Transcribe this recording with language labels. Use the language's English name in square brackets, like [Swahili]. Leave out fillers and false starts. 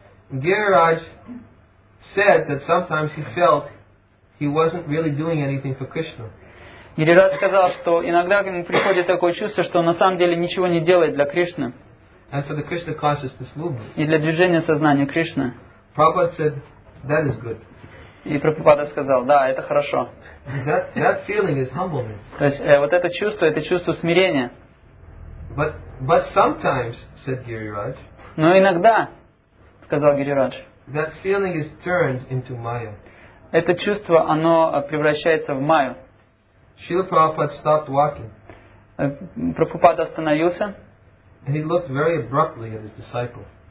[English] Girirach said that sometimes he felt he wasn't really doing anything for Krishna. [Russian] Girirach сказал, что иногда к нему приходит такое чувство, что он на самом деле ничего не делает для Кришны. [English] And for the Krishna consciousness movement. [Russian] И для движения сознания Кришны. [English] Prabhupada said that is good. [Russian] И Прабхупада сказал, да, это хорошо. [English] That feeling is humbleness. [Russian] То есть вот это чувство смирения. [English] But sometimes, said Girirach. [Russian] Но иногда, сказал Girirach. [English] That feeling is turned into Maya. [Russian] Это чувство, оно превращается в Майю. [English] Srila Prabhupada stopped walking. [Russian] Прабхупада остановился. [English] And he looked very abruptly at his disciple.